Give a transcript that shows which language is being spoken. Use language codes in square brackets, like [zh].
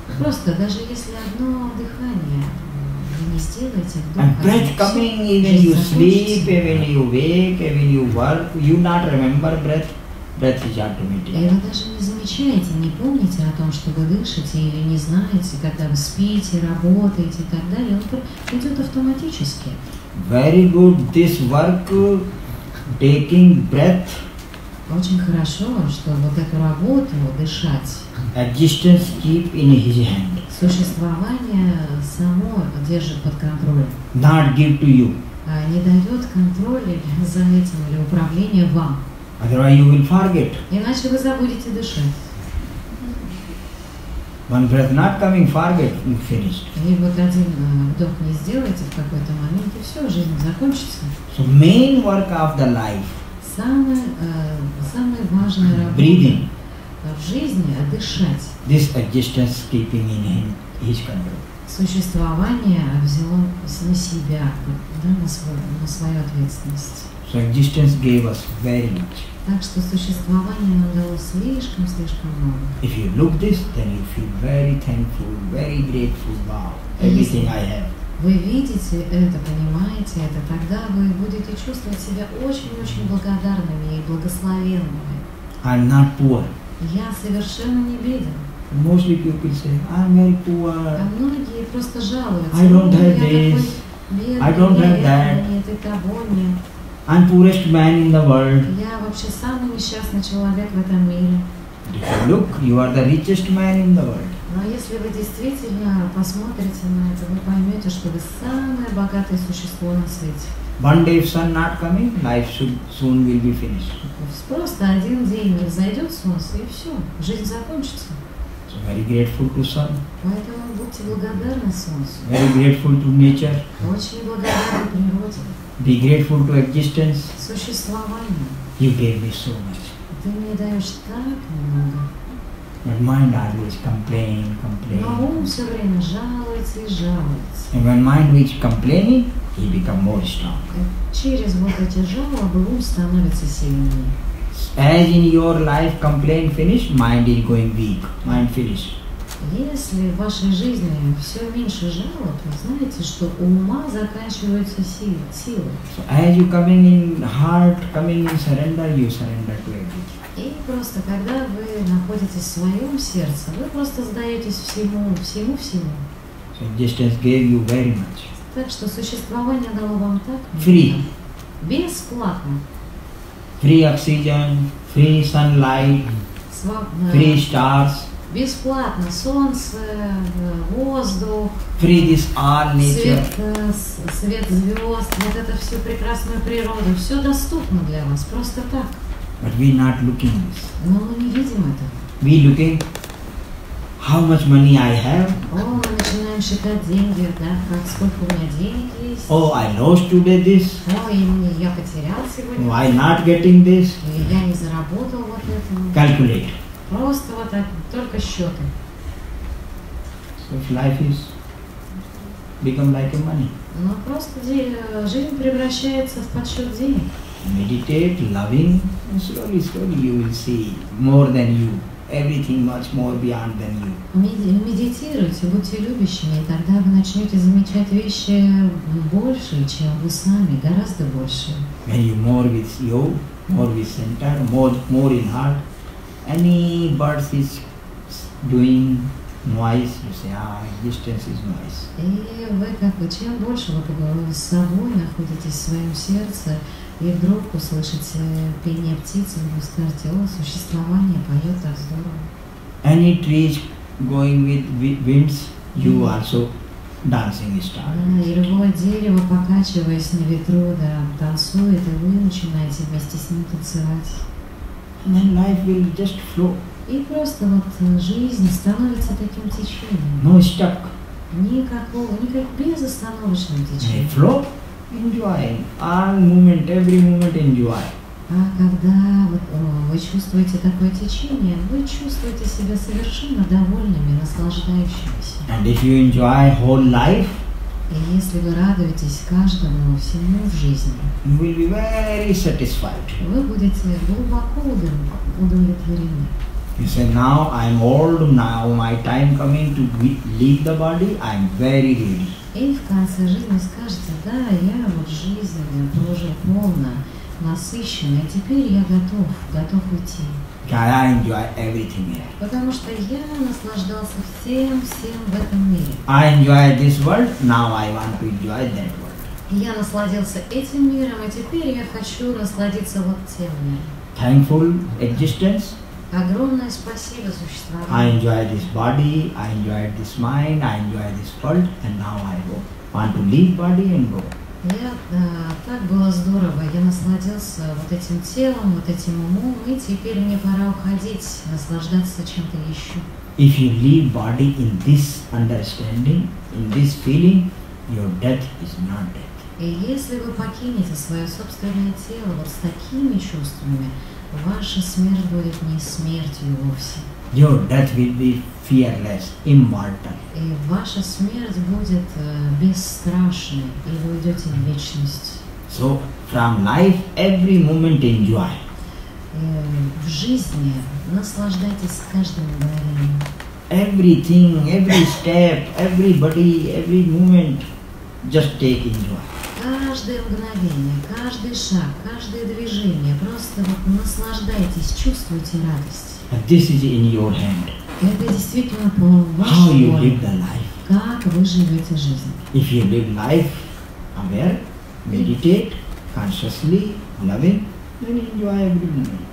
[ru] Просто даже если одно дыхание вы не сделаете, вдруг. [en] And breath coming even you sleep, even you wake, even you work, you not remember breath. Breath is automatic. [ru] И вы даже не замечаете, не помните о том, что вы дышите, или не знаете, когда вы спите, работаете и так далее. Он идет автоматически. [en] Very good this work taking breath. [ru] Очень хорошо, что вот эту работу дышать. [en] Existence keep in his hand. [ru] Существование само держит под контролем. [en] Not give to you. [ru] Не дает контроля за этим или управление вам. [en] Otherwise you will forget. [ru] Иначе вы забудете дышать. [en] One breath not coming, forget, you finished. [ru] И вот один вдох не сделаете в какой-то момент, и все, жизнь закончится. [en] So main work of the life. [ru] Самая важная работа. [en] Breathing. [ru] В жизни, а дышать. [en] This existence keeping in him, his control. [ru] Существование взяло на себя, да, на свою ответственность. [en] So existence gave us very much. [ru] Так что существование нам дало слишком много. [en] If you look this, then you feel very thankful, very grateful, wow, everything I have. [ru] Вы видите это, понимаете это, тогда вы будете чувствовать себя очень благодарными и благословенными. [en] I'm not poor. [ru] Я совершенно не беден. [en] Mostly people say, I'm very poor. [ru] А многие просто жалуются. [en] I don't have this. [ru] Бедный, [en] I don't have that. [ru] Нет, и того нет. [en] I'm poorest man in the world. [ru] Я вообще самый несчастный человек в этом мире. [en] If you look, you are the richest man in the world. [ru] Но если вы действительно посмотрите на это, вы поймете, что вы самое богатое существо на свете. [en] One day if sun not coming, life should soon will be finished. [ru] Просто один день не взойдет солнце, и все, жизнь закончится. [en] So very grateful to sun. [ru] Поэтому будьте благодарны солнцу. [en] Very grateful to nature. [ru] Очень благодарны природе. [en] Be grateful to existence. [ru] Существование. [en] You gave me so much. [ru] Ты мне даешь так много. [en] But mind always complain. [ru] Но ум все время жалуется. [en] And when mind reach complaining, he become more strong. [ru] Через вот эти жалобы ум становится сильнее. [en] As in your life complain finish, mind is going weak. Mind finish. [ru] Если в вашей жизни все меньше жалоб, вы знаете, что ума заканчиваются силы. [en] So as you coming in heart, coming in surrender, you surrender to everything. [ru] И просто, когда вы находитесь в своем сердце, вы просто сдаетесь всему. [en] So existence gave you very much. [ru] Так что существование дало вам так много. [en] Free. [ru] Бесплатно. [en] Free oxygen, free sunlight, free stars. [ru] Бесплатно солнце, воздух, [en] free this art, nature. [ru] Свет звезд, вот это все прекрасная природа, все доступно для вас, просто так. [en] But we not looking this. [ru] Но мы не видим этого. [en] We looking how much money I have. [ru] О, мы начинаем считать деньги, да, как сколько у меня денег есть. [en] Oh, I lost today this. [ru] О, я потерял сегодня. [en] Why not getting this? [ru] И я не заработал вот это. [en] Calculate. [ru] Просто вот так, только счеты. [en] So life is become like a money. [ru] Ну просто жизнь превращается в подсчет денег. [en] Meditate, loving, and slowly, slowly you will see more than you, everything much more beyond than you. [ru] Медитируйте, будьте любящими, и тогда вы начнете замечать вещи больше, чем вы сами, гораздо больше. [en] When you more with you, more with center, more in heart. Any birds is doing noise, you say, distance is noise. [ru] И вы как бы чем больше вы поговорите с собой, находитесь в своем сердце, и вдруг услышите пение птицы, вы скажете, о, существование поет так здорово. [en] Any trees going with winds, you also dancing start. [ru] И любое дерево, покачиваясь на ветру, да, танцует, и вы начинаете вместе с ним танцевать. [en] Then life will just flow. [ru] И просто вот жизнь становится таким течением. [en] No stuck. [ru] Никакого безостановочного течения. [en] And flow, enjoying all moment, every moment enjoy. [ru] А когда вы чувствуете такое течение, вы чувствуете себя совершенно довольными, наслаждающимися. [en] And if you enjoy whole life. [ru] И если вы радуетесь каждому, всему в жизни, [en] you will be very satisfied. [ru] Вы будете глубоко удовлетворены. [en] You say, now I'm old, now my time coming to leave the body, I'm very ready. [ru] И в конце жизни скажете, да, я вот жизнь тоже полна, насыщенная, теперь я готов уйти. [en] I enjoy everything here. [ru] Потому что я наслаждался всем в этом мире. [en] I enjoy this world, now I want to enjoy that world. [ru] Я насладился этим миром, а теперь я хочу насладиться вот тем миром. [en] Thankful existence. [ru] Огромное спасибо существованию. [en] I enjoy this body, I enjoy this mind, I enjoy this world, and now I go. Want to leave body and go. [ru] Так было здорово. Я насладился вот этим телом, вот этим умом, и теперь мне пора уходить, наслаждаться чем-то еще. [en] If you leave body in this understanding, in this feeling, your death is not death. [ru] И если вы покинете свое собственное тело вот с такими чувствами, ваша смерть будет не смертью вовсе. [en] Your death will be fearless, immortal. [ru] И ваша смерть будет бесстрашной, и вы уйдете в вечность. [en] So from life, every moment enjoy. [ru] В жизни наслаждайтесь каждым мгновением. [en] Everything, every step, everybody, every moment, just take enjoy. [ru] Каждое мгновение, каждый шаг, каждое движение, просто вот наслаждайтесь, чувствуйте радость. [en] And this is in your hand. [ru] Это действительно по вашей воле. [en] How you live the life? [ru] Как вы живете жизнь? [en] If you live life aware, meditate consciously, loving, then enjoy every moment.